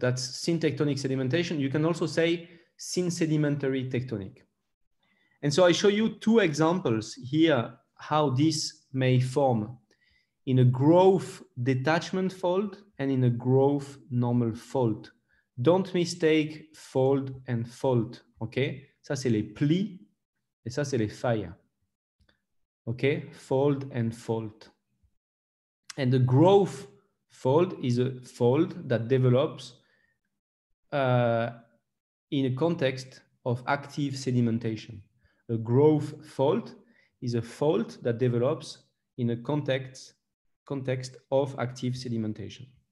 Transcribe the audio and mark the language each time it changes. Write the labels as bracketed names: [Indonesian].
[English] That's syntectonic sedimentation. You can also say syn-sedimentary tectonic. And so I show you two examples here how this may form in a growth detachment fault and in a growth normal fault. Don't mistake fault and fault, okay? [French] Ça, c'est les plis et ça, c'est les failles. [English] Okay, fault and fault. And the growth fault is a fault that develops in a context of active sedimentation. A growth fault is a fault that develops in a context of active sedimentation.